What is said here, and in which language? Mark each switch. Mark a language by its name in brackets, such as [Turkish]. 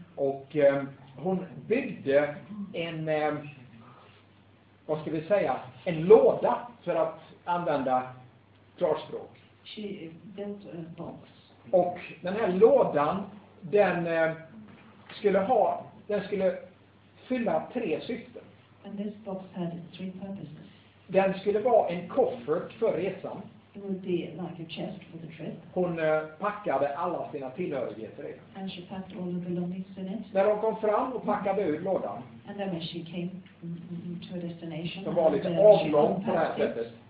[Swedish] Och hon byggde en, vad ska vi säga, en låda för att använda klarspråk. [English] She built a box. [Swedish] Och den här lådan, den skulle fylla tre syften. [English] And this box had three purposes. [Swedish] Den skulle vara en koffert för resan. [English] It would be like a chest for the trip. [Swedish] Hon packade alla sina tillhörigheter i. [English] And she packed all the belongings in it. [Swedish] När hon kom fram och packade ut lådan. [English] And then when she came to a destination. [Swedish] Det var lite avlång på det här sättet.